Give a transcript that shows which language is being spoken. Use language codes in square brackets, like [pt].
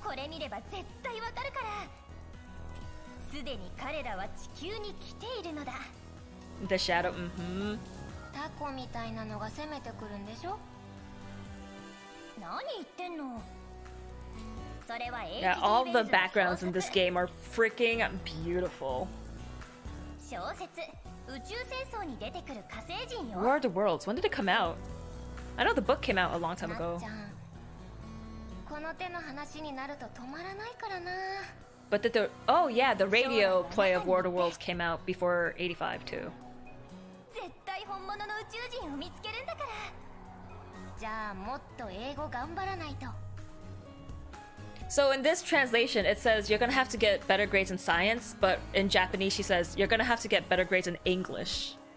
[ja] これ見れば絶対わかるから。すでに彼らは地球に来ているのだ。 [en] The shadow, mm-hmm. [ja] タコみたいなのが攻めてくるんでしょ？何言ってんの？それは [en] Aegis Rim. All the backgrounds in this game are freaking beautiful. [ja] 小説、宇宙戦争に出てくる火星人よ。 [en] Where are the worlds? When did it come out? I know the book came out a long time ago. [ja] この手の話になると止まらないからな。 [en] But the oh yeah, the radio play of War of the Worlds came out before 85 too. [ja] 絶対本物の宇宙人を見つけるんだから。じゃあもっと英語頑張らないと。 [en] So in this translation, it says you're gonna have to get better grades in science, but in Japanese, she says you're gonna have to get better grades in English.